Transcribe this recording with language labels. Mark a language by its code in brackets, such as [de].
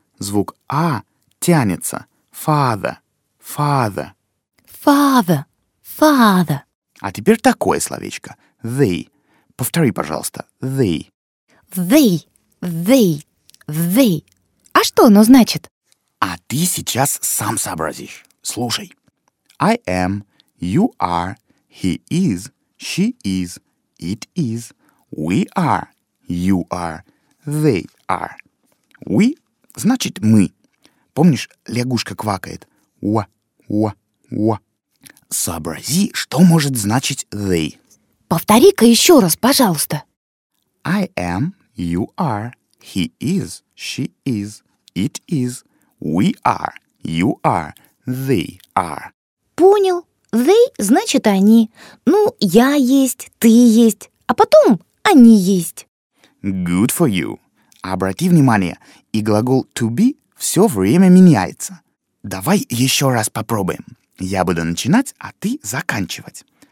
[ru] Звук «а» тянется. Father. Father. [en] Father. Father. [ru] А теперь такое словечко. They. Повтори, пожалуйста. They. They. They. They. А что оно значит? А ты сейчас сам сообразишь. Слушай. [en] I am, you are, he is, she is, it is, we are, you are, they are. [ru] We значит мы. Помнишь, лягушка квакает? Уа, уа, уа. Сообрази, что может значить they. Повтори-ка еще раз, пожалуйста. [en] I am, you are, he is, she is, it is, we are, you are, they are. [ru] Понял. They значит они. Ну, я есть, ты есть, а потом они есть. [en] Good for you. [ru] Обрати внимание, и глагол to be все время меняется. Давай еще раз попробуем. Я буду начинать, а ты заканчивать.